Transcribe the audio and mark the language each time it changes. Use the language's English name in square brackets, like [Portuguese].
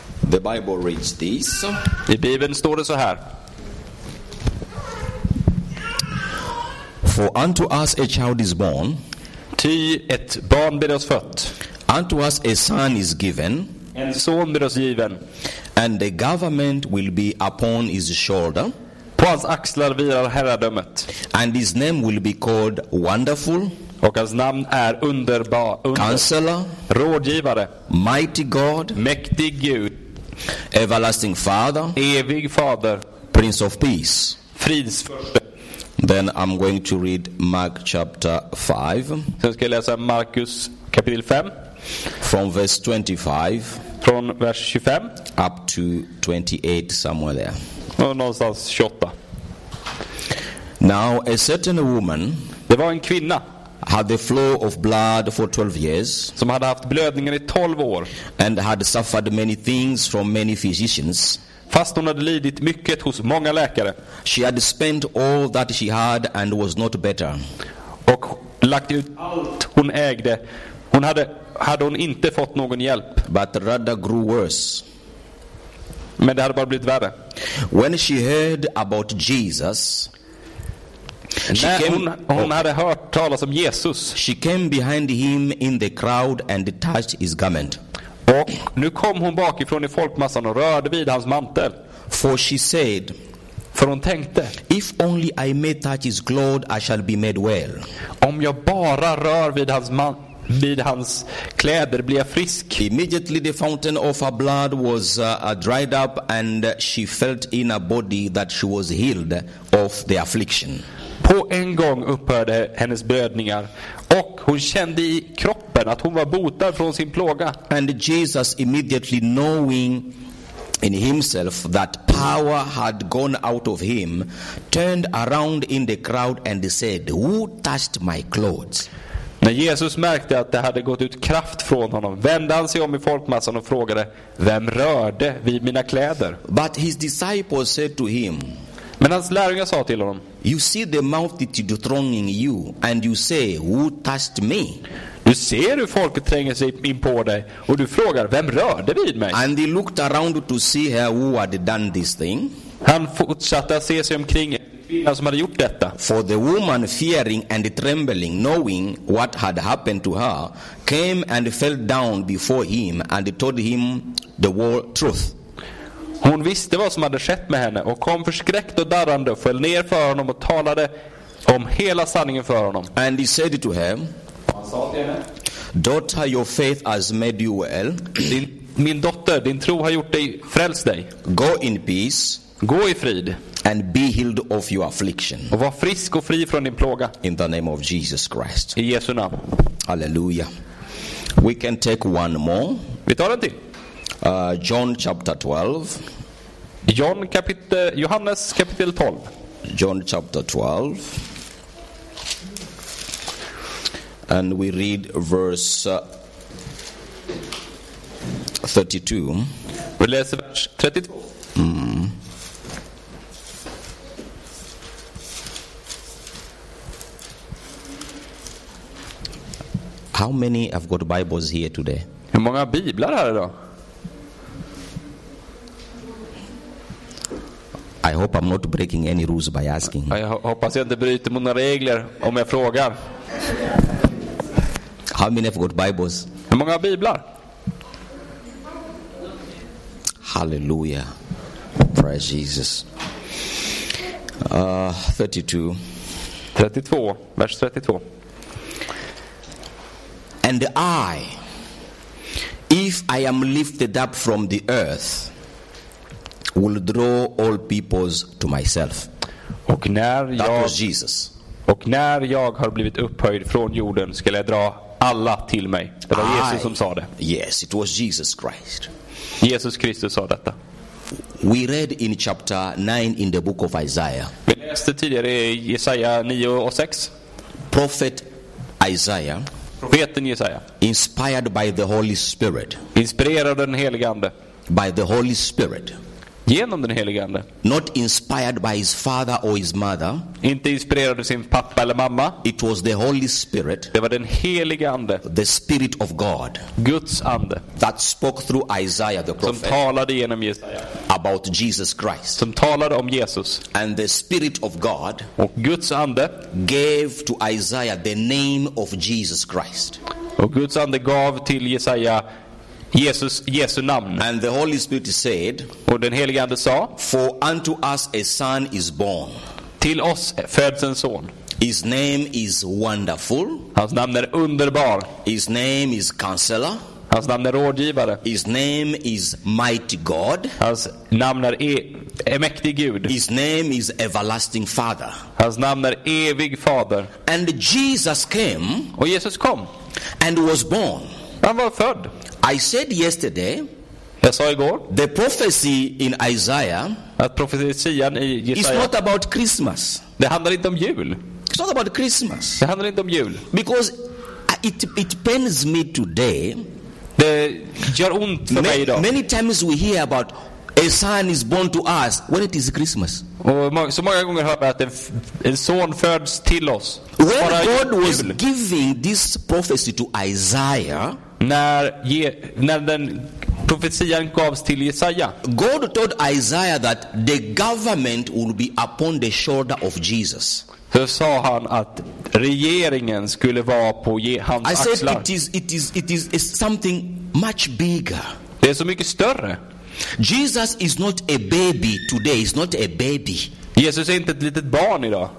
[English] The Bible reads this. [Swedish] I Bibeln står det så här. [English] For unto us a child is born. [Swedish] Ty ett barn blir oss fött. [English] Unto us a son is given. [Swedish] En son blir oss given. [English] And the government will be upon his shoulder. [Swedish] På hans axlar vilar herradömet. [English] And his name will be called Wonderful. [Swedish] Och hans namn är underbar. [English] Under. Counselor. [Swedish] Rådgivare. [English] Mighty God. [Swedish] Mäktig Gud. [English] Everlasting Father. [Swedish] Evig Fader. [English] Prince of Peace. [Swedish] Fridsfurste. [English] Then I'm going to read Mark chapter 5. [Swedish] Sen ska jag läsa Markus kapitel 5. [English] From verse 25. [Swedish] Från vers 25. [English] Up to 28 somewhere there. [Swedish] Och någonstans 28. [English] Now a certain woman. [Swedish] Det var en kvinna. [English] Had the flow of blood for 12 years. [Swedish] Som hade haft blödningen i 12 år. [English] And had suffered many things from many physicians. [Swedish] Fast hon hade lidit mycket hos många läkare. [English] She had spent all that she had and was not better. [Swedish] Och lagt ut allt hon ägde. Hon hade hon inte fått någon hjälp. [English] But rather grew worse. [Swedish] Men det hade bara blivit värre. [English] When she heard about Jesus. [Swedish] Hon hade hört talas om Jesus. [English] She came behind him in the crowd and touched his garment. [Swedish] Och nu kom hon bakifrån i folkmassan och rörde vid hans mantel. [English] For she said, [Swedish] för hon tänkte, [English] if only I may touch his clothes, I shall be made well. [Swedish] Om jag bara rör vid hans kläder blir jag frisk. [English] Immediately the fountain of her blood was dried up and she felt in her body that she was healed of the affliction. [Swedish] På en gång upphörde hennes blödningar och hon kände i kroppen att hon var botad från sin plåga. [English] And Jesus immediately knowing in himself that power had gone out of him turned around in the crowd and said, who touched my clothes? [Swedish] När Jesus märkte att det hade gått ut kraft från honom vände han sig om i folkmassan och frågade, vem rörde vid mina kläder? [English] But his disciples said to him, [Swedish] men hans lärjungar sa till honom, [English] you see the multitude thronging you and you say, who touched me? [Swedish] Du ser hur folk tränger sig in på dig och du frågar, vem rörde vid mig? [English] And he looked around to see her who had done this thing. [Swedish] Han fortsatte att se sig omkring kvinnan som hade gjort detta. [English] For the woman fearing and trembling, knowing what had happened to her, came and fell down before him and told him the whole truth. [Swedish] Hon visste vad som hade skett med henne och kom förskräckt och darrande och föll ner för honom och talade om hela sanningen för honom. [English] And he said to her, daughter, your faith has made you well. [Swedish] Min dotter, din tro har gjort dig frälst dig. [English] Go in peace. [Swedish] Gå i frid. [English] And be healed of your affliction. [Swedish] Och var frisk och fri från din plåga. [English] In the name of Jesus Christ. [Swedish] I Jesu namn. [English] Halleluja. We can take one more. [Swedish] Vi tar en till. [English] John chapter 12. [Swedish] John kapitel, Johannes kapitel 12. [English] John chapter 12. And we read verse 32. [Swedish] Vi läser vers 32. Mm. [English] How many have got Bibles here today? [Swedish] Hur många biblar här idag? [English] I hope I'm not breaking any rules by asking. [Swedish] Jag hoppas jag inte bryter mot några regler om jag frågar. [English] How many have got Bibles? [Swedish] Hur många biblar? [English] Hallelujah. Praise Jesus. 32. [Swedish] Vers 32. [English] And I, if I am lifted up from the earth, will draw all peoples to myself. [Swedish] Och när jag, [English] that was Jesus. [Swedish] Och när jag har blivit upphöjd från jorden, ska jag dra alla till mig. Det var Jesus som sa det. [English] Yes, it was Jesus Christ. [Swedish] Jesus Kristus sa detta. [English] We read in chapter 9 in the book of Isaiah. [Swedish] Vi läste tidigare i Jesaja 9 och 6. [English] Prophet Isaiah. [Swedish] Profeten Jesaja. [English] Inspired by the Holy Spirit. [Swedish] Inspirerad av den helige ande. [English] By the Holy Spirit. [Swedish] Genom den helige ande. [English] Not inspired by his father or his mother. [Swedish] Inte inspirerad av sin pappa eller mamma. [English] It was the Holy Spirit. [Swedish] Det var den helige ande. [English] The Spirit of God. [Swedish] Guds ande. [English] That spoke through Isaiah the prophet. [Swedish] Som talade genom Jesaja. [English] About Jesus Christ. [Swedish] Som talade om Jesus. [English] And the Spirit of God. [Swedish] Och Guds ande. [English] Gave to Isaiah the name of Jesus Christ. [Swedish] Och Guds ande gav till Jesaja Jesus, Jesu namn. [English] And the Holy Spirit said, [Swedish] och den helige ande sa, [English] for unto us a son is born. [Swedish] Till oss föds en son. [English] His name is wonderful. [Swedish] Hans namn är underbar. [English] His name is counselor. [Swedish] Hans namn är rådgivare. [English] His name is mighty God. [Swedish] Hans namn är mäktig Gud. [English] His name is everlasting father. [Swedish] Hans namn är evig fader. [English] And Jesus came. [Swedish] Och Jesus kom. [English] And was born. [Swedish] Han var född. [English] I said yesterday, [Swedish] jag sa igår, [English] the prophecy in Isaiah, [Swedish] att profetian i Jesaja, [English] is not about Christmas. [Swedish] Det handlar inte om jul. [English] It's not about Christmas. [Swedish] Det handlar inte om jul. [English] Because it pains me today. [Swedish] Det gör ont för mig idag. [English] Many times we hear about a son is born to us when it is Christmas. [Swedish] Och så många gånger hör vi att en son föds till oss. [English] When God was giving this prophecy to Isaiah. [Swedish] När den profetian gavs till Jesaja. [English] God told Isaiah that the government will be upon the shoulder of Jesus. [Swedish] Så sa han att regeringen skulle vara på hans axlar. [English] I said it is something much bigger. [Swedish] Det är så mycket större. [English] Jesus is not a baby today. He's not a baby. [Swedish] Jesus är inte ett litet barn idag.